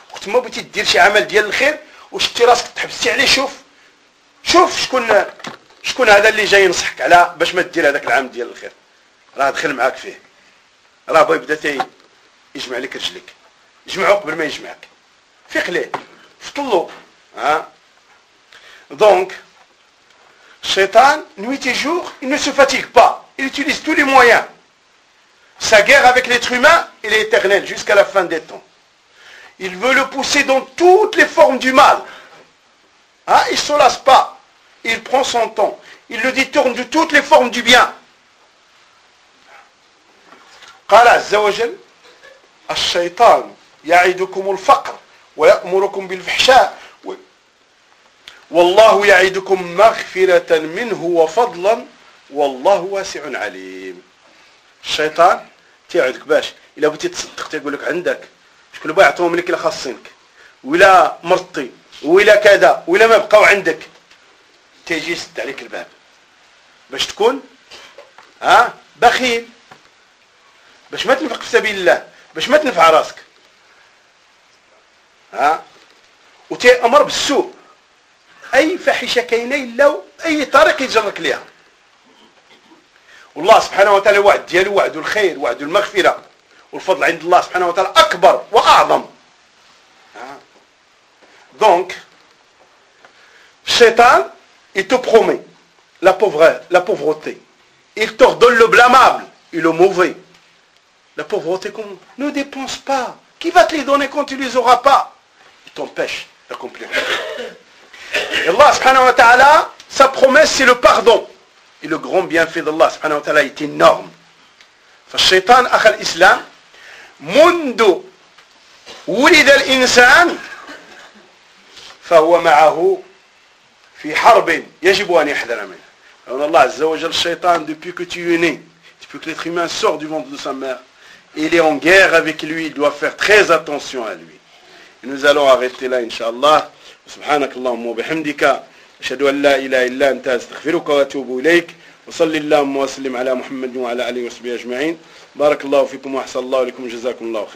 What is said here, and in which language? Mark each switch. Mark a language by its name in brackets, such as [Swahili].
[Arabic] وتما بغيتي دير شي عمل ديال الخير وشتي راسك تحبسي عليه، شوف شكون هذا اللي جاي ينصحك على باش ما دير هذاك العام ديال الخير، راه دخل معاك فيه، راه بغا يبدا تاي يجمع لك رجلك، جمعو قبل ما يجمعك، فيق ليه فطلو. [French] ها دونك الشيطان نويتي جوغ il ne se fatigue pas, il utilise tous les moyens. Sa guerre avec l'être humain, elle est éternelle jusqu'à la fin des temps. Il veut le pousser dans toutes les formes du mal. Hein? Il ne se lasse pas. Il prend son temps. Il le détourne de toutes les formes du bien. [Arabic] قال عز وجل الشيطان يعيدكم الفقر ويأمركم بالفحشاء والله يعيدكم مغفرة منه وفضلا والله واسع عليم. الشيطان تيعدك باش الا بغيتي تصدق تيقول لك عندك شكون اللي بيعطيهم لك الا خاصينك ولا مرطي ولا كذا ولا ما بقاو عندك، تيجي يسد عليك الباب باش تكون بخيل، باش ما تنفق في سبيل الله، باش ما تنفع راسك. وتيامر بالسوء، اي فاحشه كاينه الا اي طريق يجرك ليها. والله سبحانه وتعالى وعد ديالو وعد الخير، وعد المغفرة والفضل عند الله سبحانه وتعالى أكبر وأعظم. [French] دونك الشيطان il te promet la pauvreté, la pauvreté. Il te donne le blâmable et le mauvais. La pauvreté comment? Ne dépense pas. Qui va te les donner quand tu les auras pas? Il t'empêche d'accomplir. Allah سبحانه وتعالى sa promesse c'est le pardon. Et le grand bienfait d'Allah subhanahu wa ta'ala est énorme. [Arabic] فالشيطان أخى الإسلام منذ ولد الإنسان فهو معه في حرب يجب أن يحذر منها. [French] Alors Allah عز وجل الشيطان depuis que tu es né, depuis que l'être humain sort du ventre de sa mère, il est en guerre avec lui, il doit faire très attention à lui. Et nous allons arrêter là, inshallah. [Arabic] سبحانك اللهم وبحمدك أشهد أن لا إله إلا أنت أستغفرك وأتوب إليك وصلي اللهم وسلم على محمد وعلى آله وصحبه أجمعين. بارك الله فيكم وأحسن الله لكم وجزاكم الله خير.